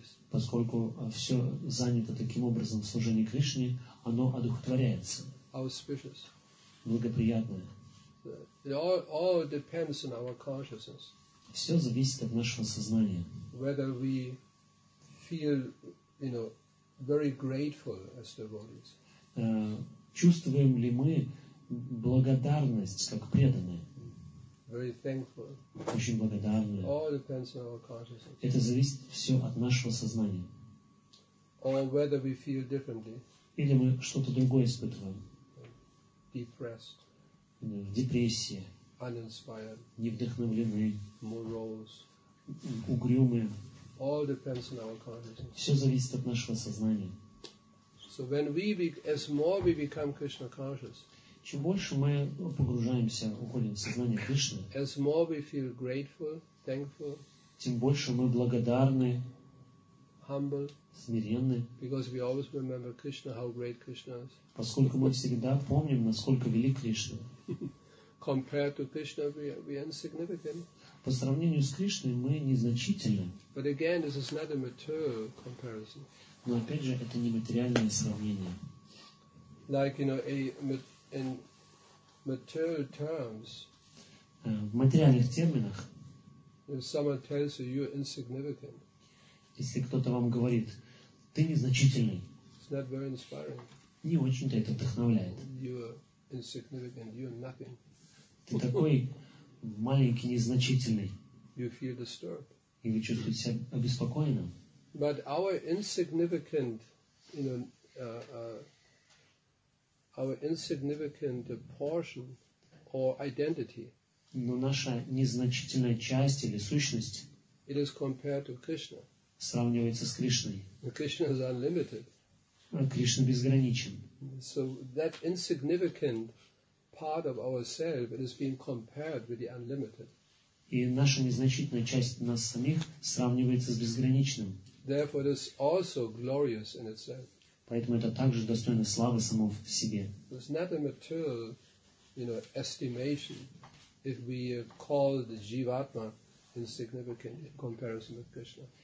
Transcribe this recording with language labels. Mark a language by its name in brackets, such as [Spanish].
[Russian] Поскольку все занято таким образом в служении Кришне, оно одухотворяется. [English] Auspicious. [Russian] Благоприятное. [English] It all depends on our consciousness. [Russian] Все зависит от нашего сознания. [English] Whether we feel, you know, very grateful as devotees. [Russian] Чувствуем ли мы благодарность как преданные? [English] Very thankful. [Russian] Очень благодарны. [English] All depends on our consciousness. [Russian] Это зависит все от нашего сознания. [English] Or whether we feel differently. [Russian] Или мы что-то другое испытываем. [English] Depressed. [Russian] В депрессии. [English] Uninspired. [Russian] Невдохновлены. [English] Morose. [Russian] Угрюмы. [English] All depends on our consciousness. [Russian] Все зависит от нашего сознания. [English] So when as more we become Krishna conscious. [Russian] Чем больше мы погружаемся, уходим в сознание Кришны, [English] as more we feel grateful, thankful, [Russian] тем больше мы благодарны, [English] humble, [Russian] смиренны, [English] because we always remember Krishna, how great Krishna is. [Russian] Поскольку мы всегда помним, насколько велик Кришна. [English] Compared to Krishna, we are insignificant. [Russian] По сравнению с Кришной мы незначительны. [English] But again, this is not a material comparison. [Russian] Но опять же, это не материальное сравнение. [English] Like, you know, in material terms, [Russian] в материальных терминах, [English] if someone tells you you're insignificant, [Russian] если кто-то вам говорит, ты незначительный, [English] it's not very inspiring. [Russian] Не очень-то это вдохновляет. [English] You're insignificant. You're nothing. [Russian] Ты такой маленький, незначительный. [English] You feel disturbed. [Russian] И вы чувствуете себя обеспокоенным. [English] But our insignificant, you know, our insignificant portion or identity. [Russian] Но наша незначительная часть или сущность. [English] It is compared to Krishna. [Russian] Сравнивается с Кришной. [English] And Krishna is unlimited. [Russian] А Кришна безграничен. [English] So that insignificant part of ourselves, it is being compared with the unlimited. [Russian] И наша незначительная часть нас самих сравнивается с безграничным. [English] Therefore, it is also glorious in itself. [Russian] Поэтому это также достойно славы само в себе. [English] It's not a material, you know, estimation if we call the jivatma insignificant in comparison with Krishna.